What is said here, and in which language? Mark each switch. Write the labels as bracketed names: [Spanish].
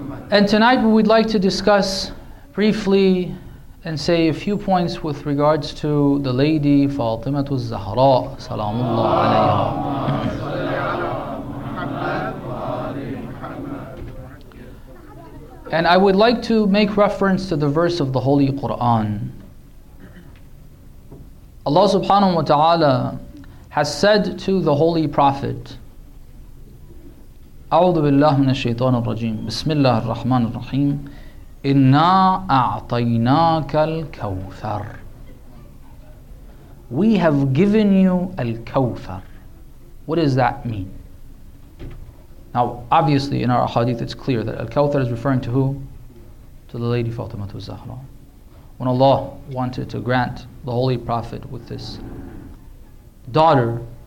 [English] And tonight we'd like to discuss briefly and say a few points with regards to the Lady Fatimatu Zahra Salamullah Alayha. And I would like to make reference to the verse of the Holy Quran. Allah subhanahu wa ta'ala has said to the Holy Prophet, [Arabic] أَعُوذُ بِاللَّهِ مِنَ الشَّيْطَانِ الرَّجِيمِ بِسْمِ اللَّهِ الرَّحْمَنِ الرَّحِيمِ إِنَّا أَعْطَيْنَاكَ الْكَوْثَرِ. [English] We have given you al-kawthar. What does that mean? Now, obviously, in our hadith, it's clear that Al-Kawthar is referring to who? To the Lady Fatima al-Zahra. When Allah wanted to grant the Holy Prophet with this daughter,